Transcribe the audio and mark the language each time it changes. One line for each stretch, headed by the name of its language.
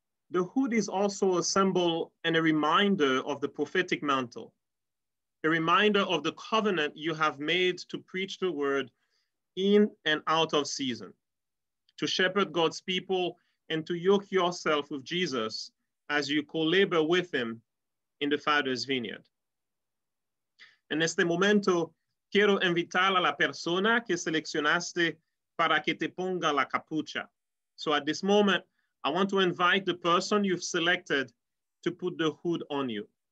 English: The hood is also a symbol and a reminder of the prophetic mantle, a reminder of the covenant you have made to preach the word in and out of season, to shepherd God's people and to yoke yourself with Jesus as you co-labor with him in the Father's vineyard.
Spanish: En este momento, quiero invitar a la persona que seleccionaste para que te ponga la capucha.
English: So at this moment, I want to invite the person you've selected to put the hood on you.